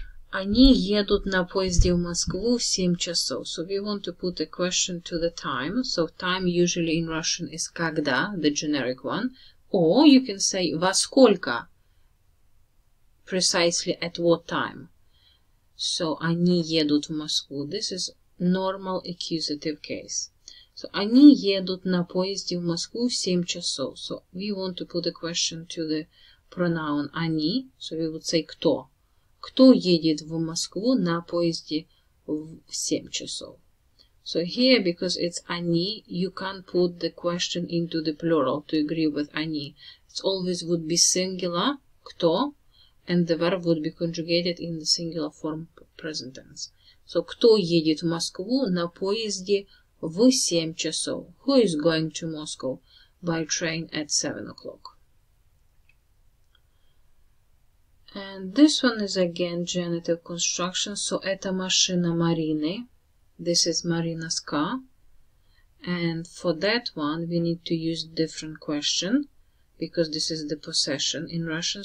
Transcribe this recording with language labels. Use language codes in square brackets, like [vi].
[ru] Они едут на поезде в Москву в 7 часов. [en] So, we want to put a question to the time. So, time usually in Russian is когда, the generic one. Or you can say [ru] во сколько, [en] precisely at what time. So, [ru] они едут в Москву. [en] This is normal accusative case. [ru] So, они едут на поезде в Москву в 7 часов. [en] So, we want to put a question to the pronoun они. So, we would say кто. [ru] Кто едет в Москву на поезде в 7 часов? [en] So, here, because it's они, you can't put the question into the plural to agree with они. It always would be singular, кто, and the verb would be conjugated in the singular form present tense. [ru] So, кто едет в Москву на поезде в 7 часов? [en] Who is going to Moscow by train at 7 o'clock? And this one is again genitive construction. So, [ru] это машина Марины. [en] This is Marina's car. And for that one, we need to use different question because this is the possession in Russian.